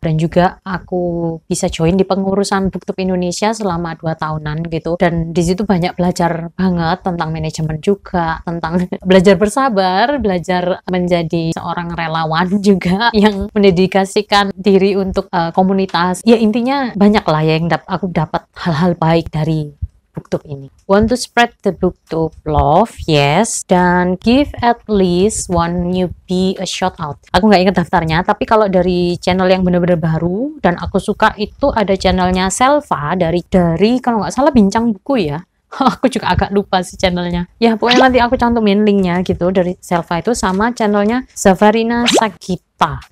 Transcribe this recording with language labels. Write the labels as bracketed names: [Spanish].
[Indonesian] Dan juga aku bisa join di pengurusan BookTube Indonesia selama 2 tahunan gitu, dan di situ banyak belajar banget tentang manajemen juga, tentang belajar bersabar, belajar menjadi seorang relawan juga yang mendedikasikan diri untuk komunitas. Ya intinya banyak lah ya yang aku dapat hal-hal baik dari BookTube ini. [English] Want to spread the BookTube love? Yes. Dan give at least one newbie a shout out. [Indonesian] Aku gak ingat daftarnya, tapi kalau dari channel yang benar-benar baru dan aku suka itu ada channelnya Selva dari kalau gak salah Bincang Buku ya. Aku juga agak lupa sih channelnya. Ya pokoknya nanti aku cantumin linknya gitu dari Selva itu, sama channelnya Zafarina Sagita.